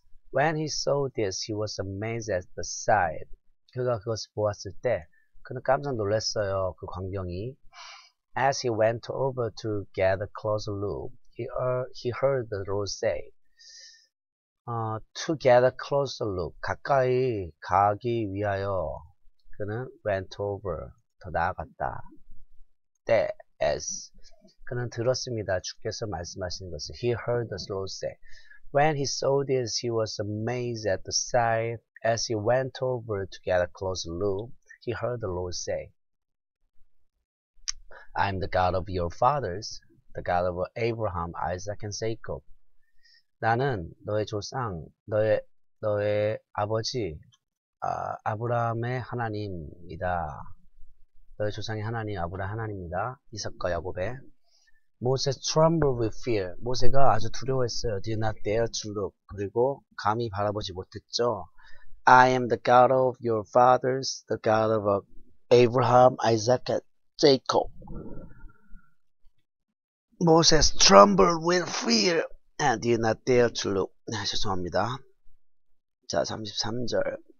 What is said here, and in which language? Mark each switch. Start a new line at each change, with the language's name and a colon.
English: When he saw this, he was amazed at the sight.
Korean: 그가 그것을 보았을 때, 그는 깜짝 놀랐어요, 그 광경이.
English: As he went over to get a closer look, he heard the Lord say, to get a closer look,
Korean: 가까이 가기 위하여
English: 그는 went over,
Korean: 더 나아갔다.
English: That as
Korean: 그는 들었습니다. 주께서 말씀하시는 것을.
English: He heard the Lord say. When he saw this, he was amazed at the sight. As he went over to get a closer look, he heard the Lord say, I'm the God of your fathers, the God of Abraham, Isaac, and Jacob.
Korean: 나는 너의 조상, 너의 아버지, 아브라함의 하나님이다. 너의 조상의 하나님, 아브라함 하나님이다. 이삭과 야곱의.
English: Moses trembled with fear.
Korean: 모세가 아주 두려워했어요.
English: Did not dare to look.
Korean: 그리고 감히 바라보지 못했죠.
English: I am the God of your fathers, the God of Abraham, Isaac, and Jacob. Moses trembled with fear and did not dare to look.
Korean: 죄송합니다. 자, 33절.